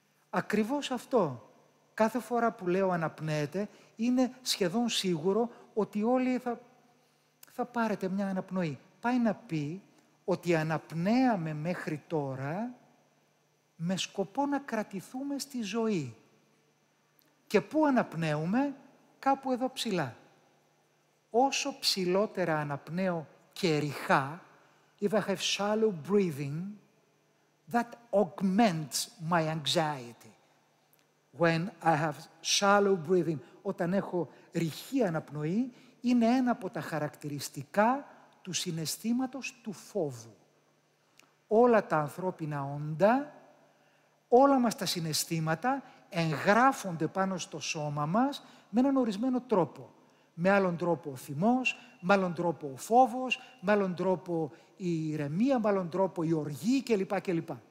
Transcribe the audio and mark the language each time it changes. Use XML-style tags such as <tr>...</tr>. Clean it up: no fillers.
<el>Ακριβώς αυτό. Κάθε φορά που λέω αναπνέετε, είναι σχεδόν σίγουρο ότι όλοι θα πάρετε μια αναπνοή. Πάει να πει ότι αναπνέαμε μέχρι τώρα με σκοπό να κρατηθούμε στη ζωή. Και πού αναπνέουμε? Κάπου εδώ ψηλά. Όσο ψηλότερα αναπνέω και ρηχά,</el> <en>if I have shallow breathing, that augments my anxiety. When I have shallow breathing,</en> <el>όταν έχω ρηχή αναπνοή, είναι ένα από τα χαρακτηριστικά του συναισθήματος του φόβου. Όλα τα ανθρώπινα όντα, όλα μας τα συναισθήματα εγγράφονται πάνω στο σώμα μας με έναν ορισμένο τρόπο. Με άλλον τρόπο ο θυμός, με άλλον τρόπο ο φόβος, με άλλον τρόπο η ηρεμία, με άλλον τρόπο η οργή κλπ. Κλπ.</el>